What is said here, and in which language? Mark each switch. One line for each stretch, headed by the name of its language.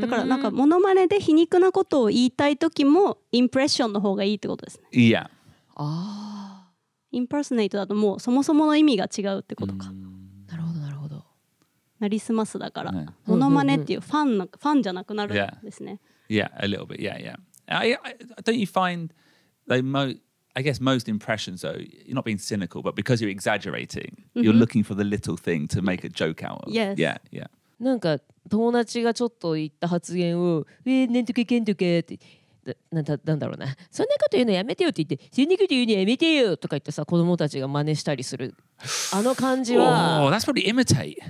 Japanese: だからなんかモノマネで皮肉なことを言いたい時もインプレッションの方がいいってことですね。いや、インパーソネイトだともうそもそもの意味が違うってことか。なるほどなるほど。なりすますだから、ね、モノマネっていうファンの、うんうん、ファンじゃなくなるんですね。いや、
English: yeah. yeah, a little bit yeah yeah I don't you find they moI guess most impressions, though, you're not being cynical, but because you're exaggerating,、mm-hmm. you're looking for the little thing to make a joke out of. Yes. Yeah, yeah.
Japanese: なんか友達がちょっと言った発言を、なんとかけんとかって、なんだろうな。そんなこと言うのやめてよって言って、そんなこと言うのやめてよとか言ってさ、子供たちが真似したりする。あの感じは。
English: Oh, that's probably imitate.